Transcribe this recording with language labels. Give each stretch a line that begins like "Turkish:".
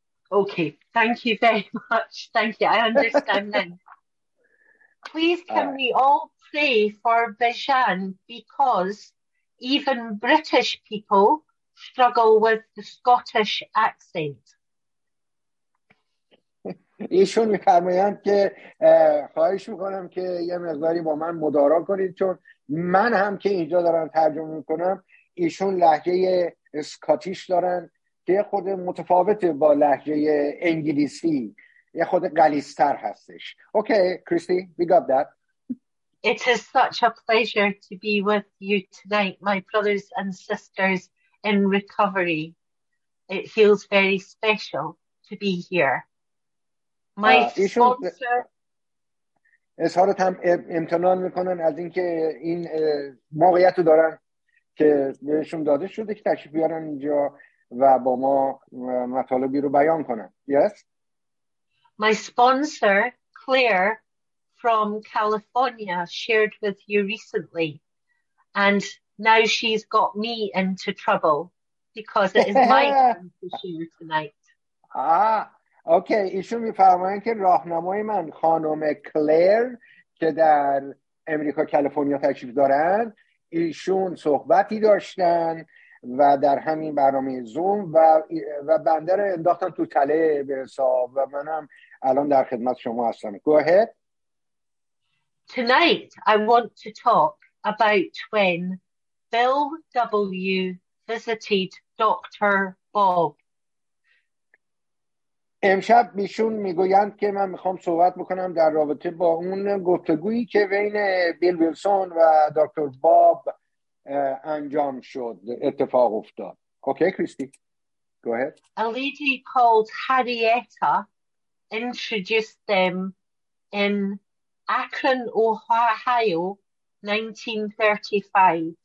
English: Okay, thank you very much. Thank you. I understand then. Please can we all pray for Bijan, because even British people struggle with the Scottish accent.
Persian: ایشون میفرمایند که خواهش میکنم که یه مقداری با من مدارا کنید، چون من هم که اینجا دارم ترجمه میکنم، ایشون لحجه اسکاتیش دارن که یه خود متفاوته با لحجه انگلیسی، یه خود غلیظ‌تر هستش.
English: Okay Christy, we got that. It is such a pleasure to be with you tonight, my brothers and sisters in recovery. It feels very special to be here. My sponsor
Persian: اظهار هم امتنان میکنن از اینکه این موقعیت رو دارن که بهشون داده شده که تشریف بیارن اینجا و با ما مطالبی رو بیان کنن.
English: Yes. My sponsor Claire from California shared with you recently, and now she's got me into trouble because it is my turn to share tonight. Okay.
Persian: ایشون میفرماین که راهنمای من خانم کلیر که در امریکا کالیفرنیا تشریف دارن، ایشون صحبتی داشتن و در همین برنامه زوم و بنده رو انداختن تو تله به حساب و منم الان در خدمت شما هستم.
English: Go ahead. Tonight I want to talk about when Bill W visited Dr. Bob.
Persian: امشب ایشون میگویند که من میخوام صحبت بکنم در رابطه با اون گفتگویی که بین بیل ویلسون و دکتر باب انجام شد، اتفاق افتاد.
English: Okay Christy, go ahead. A lady called Harrietta introduced them in Akron, Ohio, 1935.